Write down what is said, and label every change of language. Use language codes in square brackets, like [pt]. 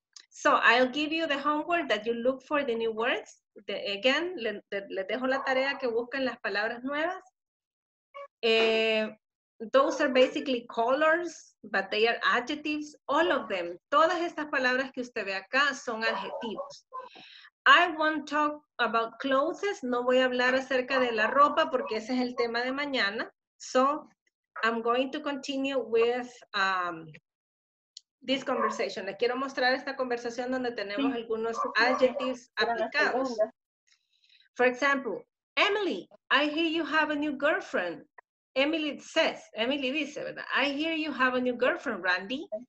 [en] So I'll give you the homework that you look for the new words. [es] Le dejo la tarea que busquen las palabras nuevas. [en] Those are basically colors, but they are adjectives, all of them. [es] Todas estas palabras que usted ve acá son adjetivos. [en] I won't talk about clothes. [es] No voy a hablar acerca de la ropa porque ese es el tema de mañana. [en] So, I'm going to continue with this conversation. [es] Les quiero mostrar esta conversación donde tenemos algunos adjectives aplicados. [en] For example, Emily, I hear you have a new girlfriend. [es] Emily dice, ¿verdad? [en] I hear you have a new girlfriend, Randy.